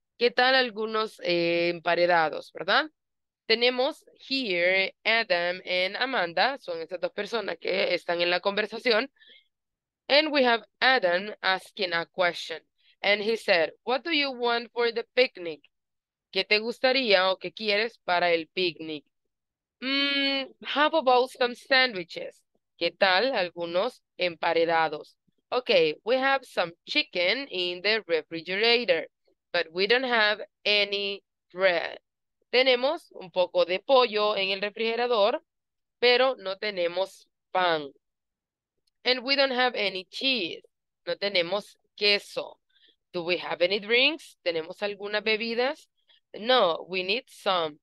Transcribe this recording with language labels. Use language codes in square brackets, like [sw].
[es] ¿Qué tal algunos emparedados, verdad? Tenemos here Adam and Amanda, son estas dos personas que están en la conversación. [en] And we have Adam asking a question. And he said, what do you want for the picnic? [es] ¿Qué te gustaría o qué quieres para el picnic? [en] How about some sandwiches? [es] ¿Qué tal algunos emparedados? [en] Okay, we have some chicken in the refrigerator, but we don't have any bread. [es] Tenemos un poco de pollo en el refrigerador, pero no tenemos pan. [en] And we don't have any cheese. [es] No tenemos queso. [en] Do we have any drinks? [es] ¿Tenemos algunas bebidas? [en] No, we need some.